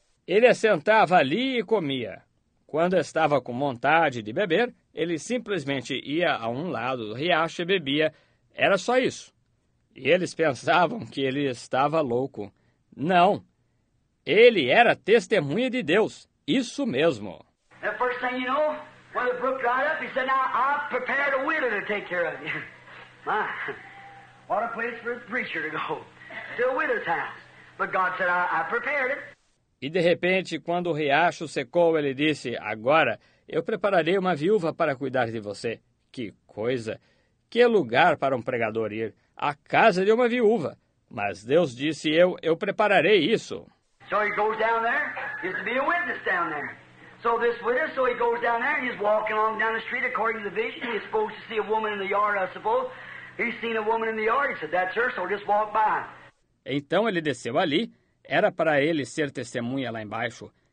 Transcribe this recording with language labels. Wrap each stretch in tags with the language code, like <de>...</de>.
<pt>Ele assentava ali e comia. Quando estava com vontade de beber, ele simplesmente ia a um lado do riacho e bebia. Era só isso. E eles pensavam que ele estava louco. Não. Ele era testemunha de Deus. Isso mesmo.</pt> <en>The first thing you know, when the brook dried up, he said, now I've prepared a widow to take care of you. My... What a place for a preacher to go. To a widow's house. But God said, I prepared it.</en> <pt>E de repente, quando o riacho secou, ele disse, agora eu prepararei uma viúva para cuidar de você. Que coisa! Que lugar para um pregador ir? A casa de uma viúva. Mas Deus disse, eu prepararei isso.</pt> <en>So he goes down there, he's to be a witness down there. So he goes down there, he's walking along down the street according to the vision. He's supposed to see a woman in the yard, I suppose. He seen a woman in the yard, he said, that's her, so just walk by.</en> <pt>Então ele desceu ali, era para ele ser testemunha lá embaixo.</pt>